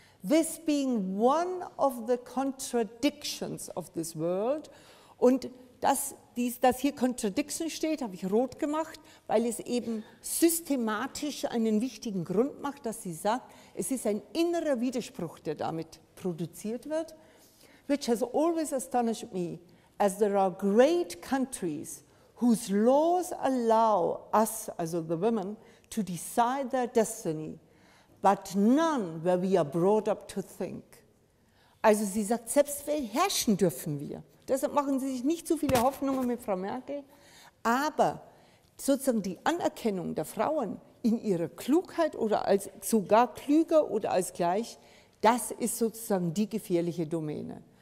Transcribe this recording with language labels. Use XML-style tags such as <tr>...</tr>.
<en>This being one of the contradictions of this world.</en> <de>Und dass hier Contradiction steht, habe ich rot gemacht, weil es eben systematisch einen wichtigen Grund macht, dass sie sagt, es ist ein innerer Widerspruch, der damit produziert wird.</de> <en>Which has always astonished me, as there are great countries whose laws allow us, also the women, to decide their destiny, but none where we are brought up to think.</en> <de>Also sie sagt, selbst herrschen dürfen wir. Deshalb machen Sie sich nicht zu viele Hoffnungen mit Frau Merkel. Aber sozusagen die Anerkennung der Frauen in ihrer Klugheit oder als sogar klüger oder als gleich, das ist sozusagen die gefährliche Domäne.</de>